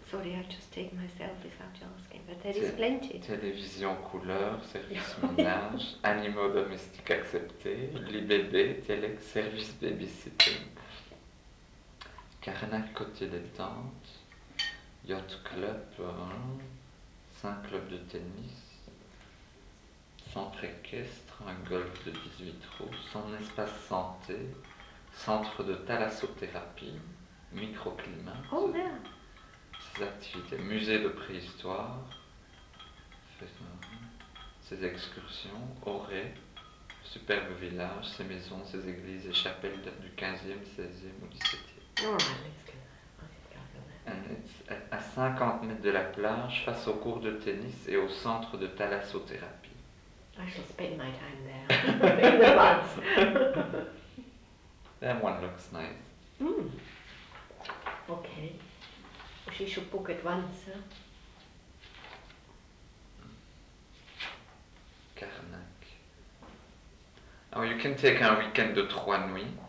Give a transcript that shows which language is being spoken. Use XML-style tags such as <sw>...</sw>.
<en>Sorry, I just take myself without asking, but there is T plenty.</en> <fr>Télévision couleur, service Oui. ménage, animaux domestiques acceptés, lit bébé, télé, service babysitting. Karnak côté détente, yacht club, 5 clubs de tennis, centre équestre, un golf de 18 trous, son espace santé, centre de thalassothérapie, microclimat,</fr> <en>Oh, there.</en> <fr>ses activités, musée de préhistoire, ses excursions, orée, superbe village, ses maisons, ses églises et chapelles datent du 15e, 16e ou 17e.</fr> <en>All right, let's go.</en> <fr>À 50 mètres de la plage, face au court de tennis et au centre de thalassothérapie.</fr> <en>I shall spend my time there in the That one looks nice. Okay. She should book at once, huh? Karnak. Oh, you can take</en> <fr>un week-end de 3 nuits</fr>